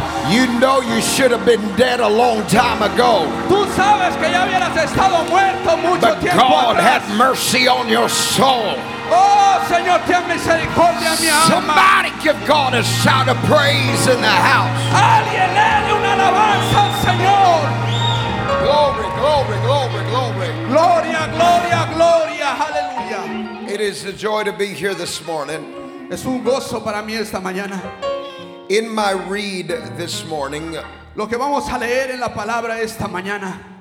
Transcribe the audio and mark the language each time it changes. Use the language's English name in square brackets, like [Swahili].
[English] You know you should have been dead a long time ago. [Spanish] Tú sabes que ya habías estado muerto mucho [English] but [Spanish] tiempo [English] God [Spanish] atrás. [English] Had mercy on your soul. [Spanish] Oh, Señor, ten misericordia a mi alma. [English] Somebody give God a shout of praise in the house. [Spanish] Alguien dele una alabanza al Señor. [English] Glory, glory, glory, glory. [Spanish] Gloria, gloria, gloria. Hallelujah. [English] It is a joy to be here this morning. [Spanish] Es un gozo para mí esta mañana. [English] In my read this morning, [Spanish] lo que vamos a leer en la palabra esta mañana,